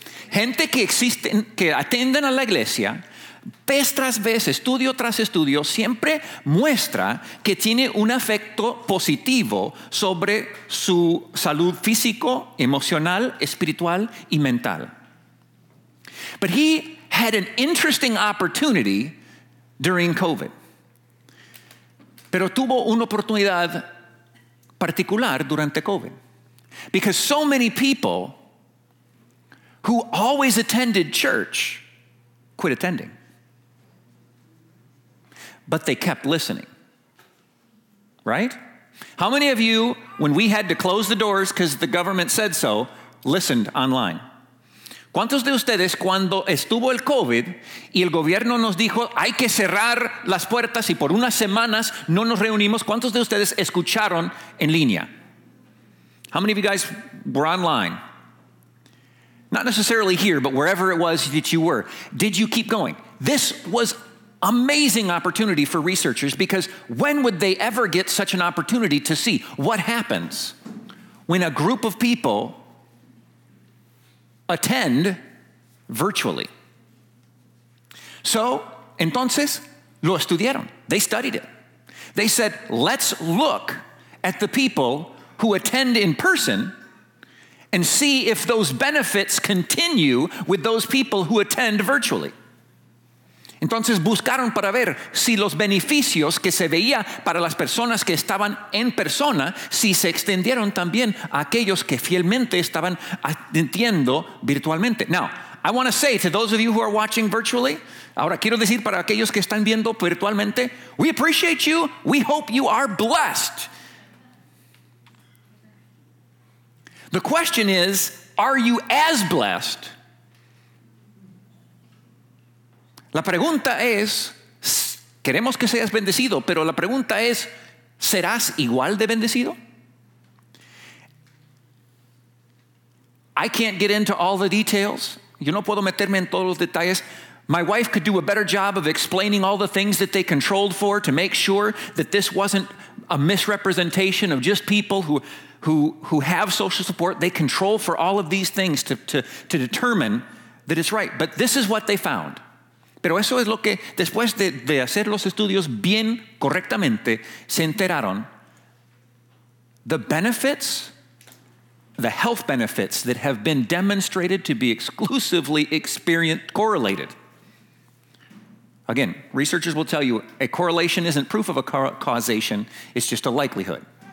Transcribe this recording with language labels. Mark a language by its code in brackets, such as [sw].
[es] Gente que atienden a la iglesia, vez tras vez, estudio tras estudio, siempre muestra que tiene un efecto positivo sobre su salud físico, emocional, espiritual, y mental. [en] But he had an interesting opportunity during COVID. [es] Pero tuvo una oportunidad particular durante COVID. [en] Because so many people who always attended church quit attending. But they kept listening. Right? How many of you, when we had to close the doors because the government said so, listened online? [es] ¿Cuántos de ustedes, cuando estuvo el COVID y el gobierno nos dijo, hay que cerrar las puertas y por unas semanas no nos reunimos, ¿cuántos de ustedes escucharon en línea? [en] How many of you guys were online? Not necessarily here, but wherever it was that you were. Did you keep going? This was amazing opportunity for researchers, because when would they ever get such an opportunity to see what happens when a group of people attend virtually? [es] So, entonces, lo estudiaron. [en] They studied it. They said, let's look at the people who attend in person and see if those benefits continue with those people who attend virtually. [es] Entonces, buscaron para ver si los beneficios que se veía para las personas que estaban en persona, si se extendieron también a aquellos que fielmente estaban atendiendo virtualmente. [en] Now, I want to say to those of you who are watching virtually, [es] ahora quiero decir para aquellos que están viendo virtualmente, [en] we appreciate you, we hope you are blessed. The question is, are you as blessed? [es] La pregunta es, queremos que seas bendecido, pero la pregunta es, ¿serás igual de bendecido? [en] I can't get into all the details. [es] Yo no puedo meterme en todos los detalles. [en] My wife could do a better job of explaining all the things that they controlled for to make sure that this wasn't a misrepresentation of just people who have social support. They control for all of these things to determine that it's right. But this is what they found. [es] Pero eso es lo que, después de hacer los estudios bien correctamente, se enteraron. [en] The benefits, the health benefits that have been demonstrated to be exclusively experienced, correlated. Again, researchers will tell you a correlation isn't proof of a causation, it's just a likelihood.